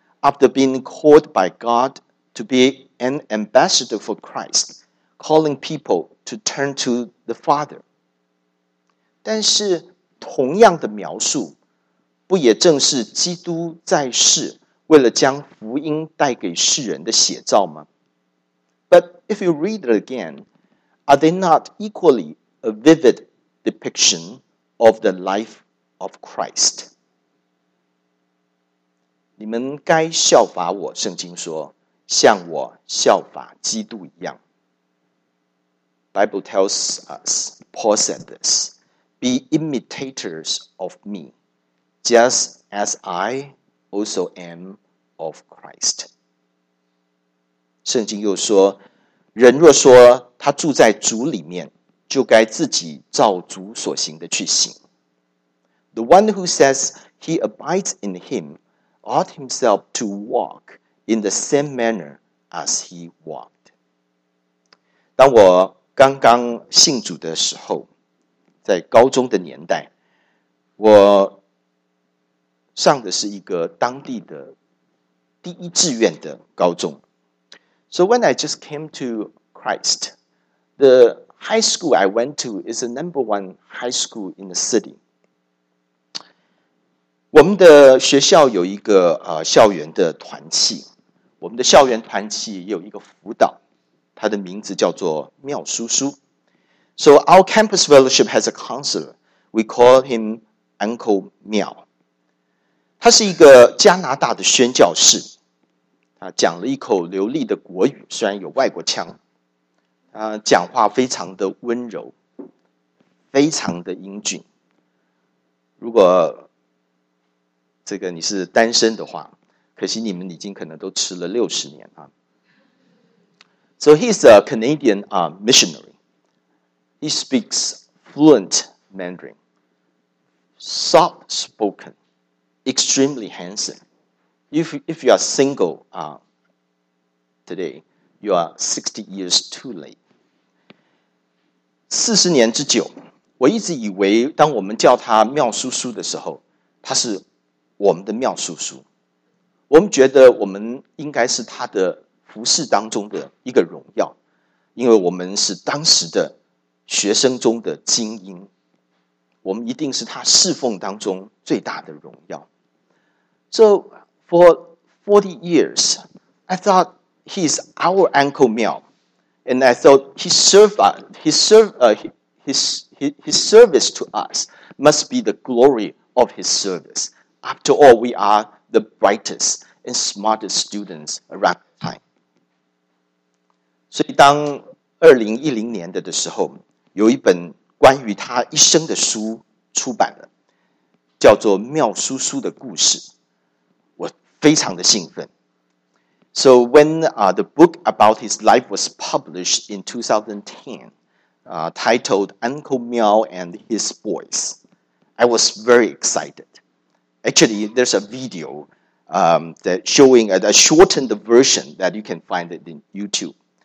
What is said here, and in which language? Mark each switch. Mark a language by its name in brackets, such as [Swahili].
[English] After being called by God to be an ambassador for Christ, calling people to turn to the Father. [Chinese] 但是同样的描述，不也正是基督在世为了将福音带给世人的写照吗？ [English] But if you read it again, are they not equally a vivid depiction of the life of Christ? [Chinese] 你们该效法我，圣经说，像我效法基督一样。 [English] Bible tells us, Paul said this, be imitators of me, just as I also am of Christ. [Chinese] 圣经又说，人若说他住在主里面，就该自己照主所行的去行。 [English] The one who says he abides in him ought himself to walk in the same manner as he walked. [Chinese] 当我刚刚信主的时候，在高中的年代，我上的是一个当地的第一志愿的高中。 [English] So when I just came to Christ, the high school I went to is the number one high school in the city. [Chinese] 我们的学校有一个校园的团契，我们的校园团契也有一个辅导，他的名字叫做妙叔叔。 [English] So our campus fellowship has a counselor. We call him Uncle Miao. [Chinese] 他是一个加拿大的宣教士，他讲了一口流利的国语，虽然有外国腔，讲话非常的温柔，非常的英俊。如果这个你是单身的话，可惜你们已经可能都吃了60年啊。 [English] So he's a Canadian missionary. He speaks fluent Mandarin, soft spoken, extremely handsome. If you are single today, you are 60 years too late. [Chinese] 40年之久，我一直以为当我们叫他妙叔叔的时候，他是我们的妙叔叔。我们觉得我们应该是他的服侍当中的一个荣耀，因为我们是当时的学生中的精英，我们一定是他侍奉当中最大的荣耀。 [English] So for 40 years I thought he's our Uncle Miao, and I thought his service to us must be the glory of his service. After all, we are the brightest and smartest students around time. [Chinese] 所以当2010年的时候，有一本关于他一生的书出版了，叫做妙叔叔的故事，我非常的兴奋。 [English] So when the book about his life was published in 2010, titled Uncle Miao and His Boys, I was very excited. Actually, there's a video that showing a shortened version that you can find it in YouTube.